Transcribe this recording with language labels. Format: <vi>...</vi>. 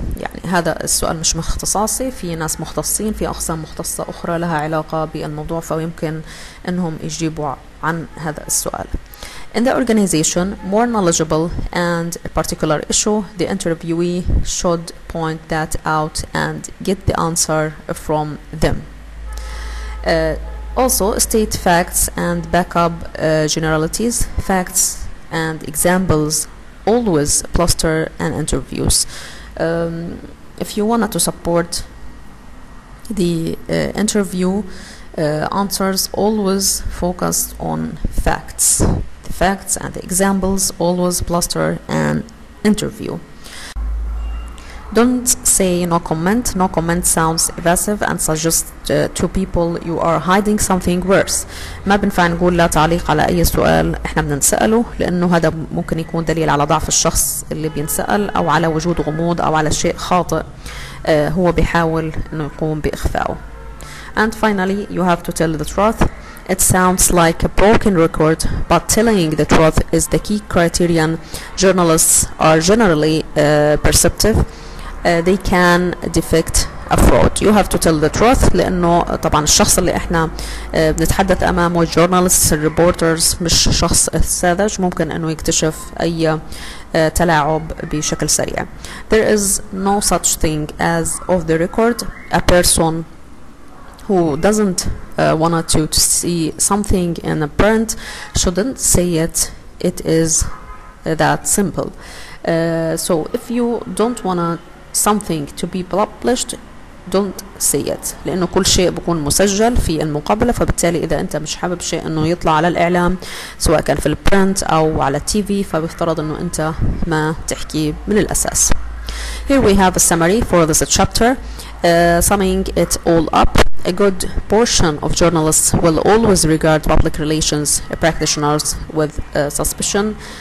<ar>يعني هذا السؤال مش مختصاصي, في ناس مختصين, في أقسام مختصة أخرى لها علاقة بالموضوع, فيمكن أنهم يجيبوا عن هذا السؤال.</ar> <en>In the organization more knowledgeable and a particular issue, the interviewee should point that out and get the answer from them. Also state facts and back up generalities. Facts and examples always bolster an interview. If you wanted to support the interview answers, always focus on facts. Facts and the examples always bluster an interview. Don't say no comment. No comment sounds evasive and suggests to people you are hiding something worse.</en> <ar>ما بنفع نقول لا تعليق على أي سؤال إحنا بننسأله, لأنه هذا ممكن يكون دليل على ضعف الشخص اللي بينسأل أو على وجود غموض أو على شيء خاطئ هو بيحاول إنه يقوم بإخفائه.</ar> <en>And finally, you have to tell the truth. It sounds like a broken record, but telling the truth is the key criterion. Journalists are generally perceptive. They can detect a fraud. You have to tell the truth,</en> <ar>لأنه طبعا الشخص اللي احنا بنتحدث أمامه, journalists, reporters, مش شخص ساذج, ممكن أنه يكتشف أي تلاعب بشكل سريع.</ar> <en>There is no such thing as off the record. A person who doesn't wanted to see something in a print shouldn't say it. It is that simple. So if you don't want something to be published, don't say it.</en> <ar>لأنه كل شيء بكون مسجل في المقابلة, فبالتالي إذا أنت مش حابب شيء أنه يطلع على الإعلام سواء كان في البرنت أو على TV, فبيفترض أنه أنت ما تحكي من الأساس.</ar> <en>Here we have a summary for this chapter, summing it all up. A good portion of journalists will always regard public relations practitioners with suspicion.</en>